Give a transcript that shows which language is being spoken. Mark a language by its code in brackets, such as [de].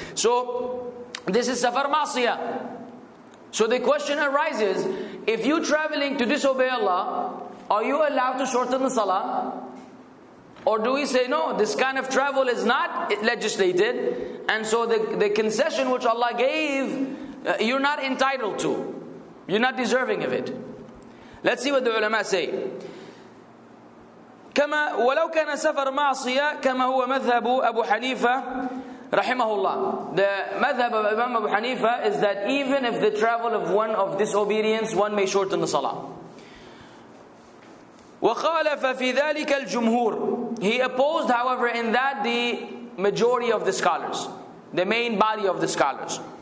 [en] So this is Safar Masiyah. So the question arises, if you're traveling to disobey Allah, are you allowed to shorten the salah? Or do we say, no, this kind of travel is not legislated, and so the concession which Allah gave, you're not entitled to. You're not deserving of it. Let's see what the ulama say. [ar] كما ولو كان سفر معصية كما هو مذهب أبو حنيفة Rahimahullah. [en] The madhab of Imam Abu Hanifa is that even if the travel of one of disobedience, one may shorten the salah. [ar] وَقَالَ فَفِي ذَلِكَ الْجُمْهُورِ. [en] He opposed, however, in that the majority of the scholars, the main body of the scholars.